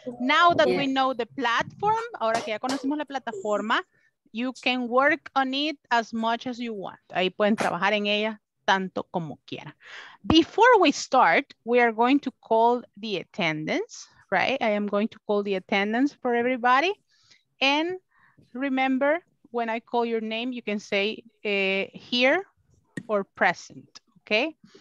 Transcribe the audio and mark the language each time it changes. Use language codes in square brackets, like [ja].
[en] Now that we know the platform, [es] ahora que ya conocemos la plataforma, [en] you can work on it as much as you want. [es] Ahí pueden trabajar en ella tanto como quieran. [en] Before we start, we are going to call the attendance, right? I am going to call the attendance for everybody. And remember, when I call your name, you can say here or present, okay?